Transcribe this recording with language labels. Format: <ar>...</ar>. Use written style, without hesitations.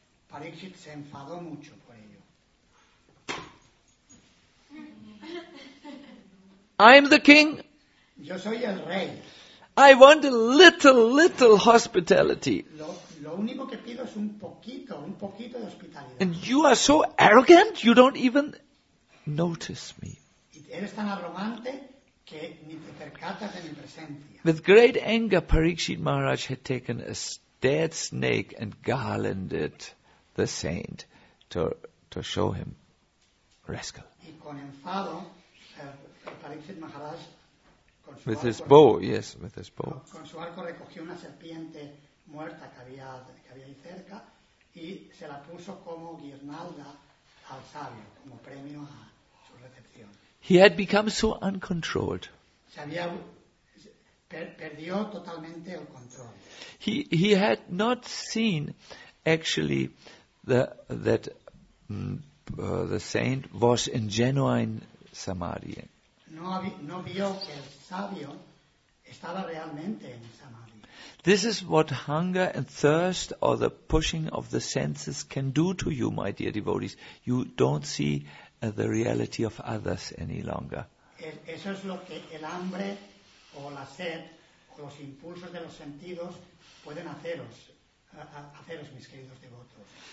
<es>Parikshit se enfadó mucho por ello.</es> <en>I'm the king.</en> <es>Yo soy el rey.</es> <en>I want a little hospitality.</en> <es>Lo único que pido es un poquito de hospitalidad.</es> <en>And you are so arrogant, you don't even notice me.</en> <es>Eres tan arrogante que ni te percatas de mi presencia.</es> <en>With great anger, Parikshit Maharaj had taken a dead snake and garlanded the saint to show him rascal.</en> <es>Y con enfado, Parikshit Maharaj.</es> <en>With his bow, yes, with his bow.</en> <es>Con su arco recogió una serpiente muerta que había ahí cerca y se la puso como guirnalda al sabio, como premio a su recepción.</es> <en>He had become so uncontrolled.</en> <es>Se había perdió totalmente el control.</es> <en>He had not seen actually the saint was in genuine samadhi.</en> <es>No vio que el sabio estaba realmente en samadhi.</es> <en>This is what hunger and thirst or the pushing of the senses can do to you, my dear devotees. You don't see the reality of others any longer.</en> <es>Eso es lo que el hambre o la sed o los impulsos de los sentidos pueden haceros, mis queridos devotos.</es>